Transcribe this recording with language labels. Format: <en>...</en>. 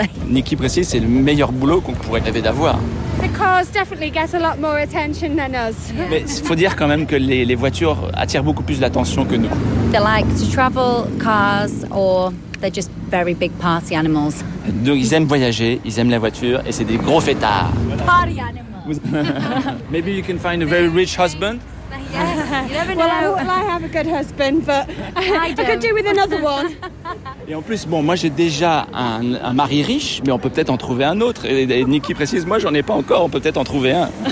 <fr>Nikki précise, c'est le meilleur boulot qu'on pourrait rêver d'avoir.</fr> <en>The cars definitely get a lot more attention than us.</en> <fr>Mais il faut dire quand même que les voitures attirent beaucoup plus l'attention que nous.</fr> <en>They like to travel cars or they're just very big party animals.</en> <fr>Donc ils aiment voyager, ils aiment la voiture et c'est des gros fêtards.</fr> <en>Party animals. Maybe you can find a very rich husband. Yes, you never know. Well, I have a good husband, but I could do with another one.</en> <fr>Et en plus, bon, moi j'ai déjà un mari riche, mais on peut peut-être en trouver un autre. Et Nikki précise, moi j'en ai pas encore, on peut peut-être en trouver un.</fr>